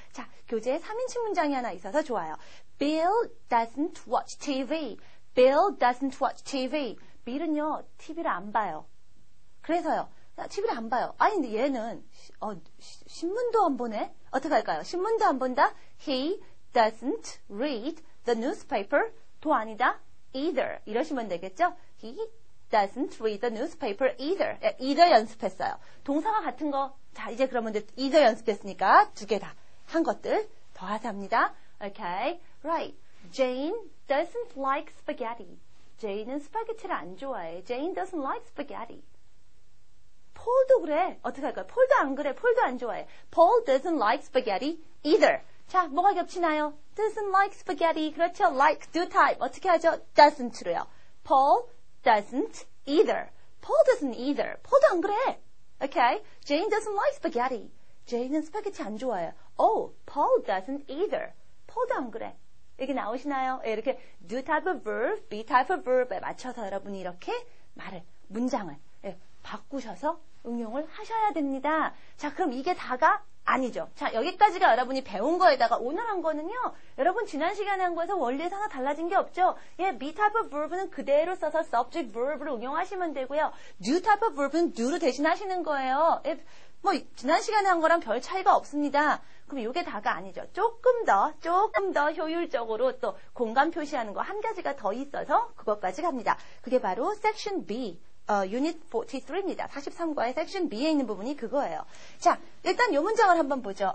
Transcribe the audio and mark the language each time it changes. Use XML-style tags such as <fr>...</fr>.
<ko>자, 교재에 3인칭 문장이 하나 있어서 좋아요.</ko> <en>Bill doesn't watch TV. Bill doesn't watch TV.</en> <ko>Bill은요, TV를 안 봐요. 그래서요, TV를 안 봐요. 아니, 근데 얘는 신문도 안 보네? 어떻게 할까요? 신문도 안 본다?</ko> <en>He doesn't read the newspaper.</en> <ko>도 아니다. Either. 이러시면 되겠죠?</ko> <en>He doesn't read the newspaper either.</en> <ko>Either 연습했어요. 동사와 같은 거. 자, 이제 그러면 이제 either 연습했으니까 두 개 다 한 것들 더하자 합니다.</ko> <en>Okay. Right. Jane doesn't like spaghetti.</en> <ko>Jane은 스파게티를 안 좋아해.</ko> <en>Jane doesn't like spaghetti.</en> <ko>Paul도 그래. 어떻게 할까요? Paul도 안 그래. Paul도 안 좋아해.</ko> <en>Paul doesn't like spaghetti either.</en> <ko>자, 뭐가 겹치나요?</ko> <en>Doesn't like spaghetti.</en> <ko>그렇죠? Like, do type. 어떻게 하죠? Doesn't로요.</ko> <en>Paul doesn't either. Paul doesn't either.</en> <ko>Paul도 안 그래.</ko> <en>Okay? Jane doesn't like spaghetti.</en> <ko>Jane은 스파게티 안 좋아해.</ko> <en>Oh, Paul doesn't either.</en> <ko>Paul도 안 그래. 이게 나오시나요? 예, 이렇게 do type of verb, be type of verb에 맞춰서 여러분이 이렇게 말을, 문장을 예, 바꾸셔서 응용을 하셔야 됩니다. 자, 그럼 이게 다가 아니죠. 자, 여기까지가 여러분이 배운 거에다가 오늘 한 거는요. 여러분 지난 시간에 한 거에서 원리에서 하나 달라진 게 없죠. 예, be type of verb는 그대로 써서 subject verb를 응용하시면 되고요. do type of verb은 do로 대신하시는 거예요. 예, 뭐 지난 시간에 한 거랑 별 차이가 없습니다. 그럼 이게 다가 아니죠. 조금 더 효율적으로 또 공간 표시하는 거 한 가지가 더 있어서 그것까지 갑니다. 그게 바로 section B. Unit 43입니다. 43과의 Section B에 있는 부분이 그거예요. 자, 일단 요 문장을 한번 보죠.</ko>